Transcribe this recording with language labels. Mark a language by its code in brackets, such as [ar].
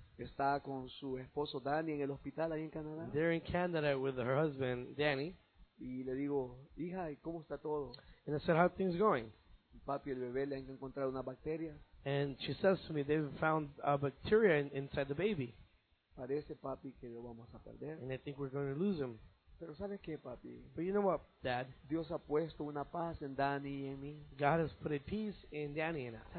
[es] Está con su esposo Danny en el hospital ahí en Canadá. [en] They're in Canada with her husband Danny. [es] Y le digo, hija, ¿cómo está todo? [en] And I said, how are things going? [es] Papi y el bebé le han encontrado una bacteria. [en] And she says to me, they've found a bacteria inside the baby. [es] Parece, papi, que lo vamos a perder. [en] And I think we're going to lose him. [es] Pero ¿sabes qué, papi? [en] But you know what, Dad? [es] Dios ha puesto una paz en Danny y en mí. [en] God has put a peace in Danny and I.